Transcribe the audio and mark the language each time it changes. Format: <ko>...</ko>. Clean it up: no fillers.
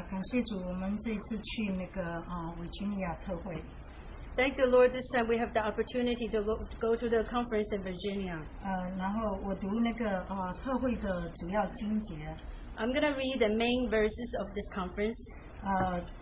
<en>Thank the Lord this time we have the opportunity to go to the conference in Virginia.</en> <zh>然后我读那个特会的主要经节。</zh> <en>I'm going to read the main verses of this conference.</en>